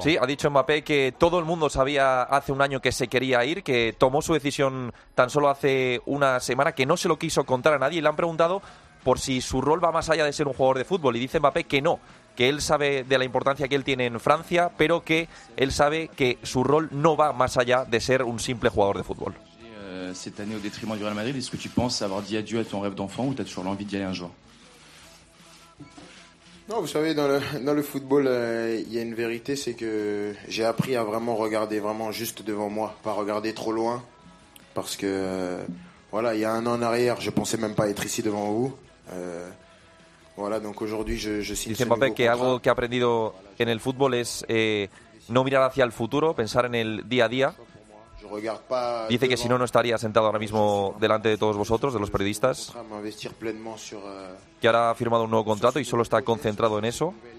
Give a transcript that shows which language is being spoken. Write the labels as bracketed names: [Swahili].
[Spanish] Sí, ha dicho Mbappé que todo el mundo sabía hace un año que se quería ir, que tomó su decisión tan solo hace una semana, que no se lo quiso contar a nadie, y le han preguntado por si su rol va más allá de ser un jugador de fútbol, y dice Mbappé que no, que él sabe de la importancia que él tiene en Francia, pero que él sabe que su rol no va más allá de ser un simple jugador de fútbol. [French] Cette année au détriment du Real Madrid, est-ce que tu penses avoir dit adieu à ton rêve d'enfant ou t'as toujours l'envie d'y aller un jour? Non, vous savez, dans le football, il y a une vérité, c'est que j'ai appris à vraiment regarder vraiment juste devant moi, pas regarder trop loin, parce que voilà, il y a un an en arrière, je pensais même pas être ici devant vous. Voilà, donc aujourd'hui, je signe. [Spanish] Dice Mbappé que algo que ha aprendido en el fútbol es no mirar hacia el futuro, pensar en el día a día. Dice que si no, no estaría sentado ahora mismo delante de todos vosotros, de los periodistas. Que ahora ha firmado un nuevo contrato y solo está concentrado en eso.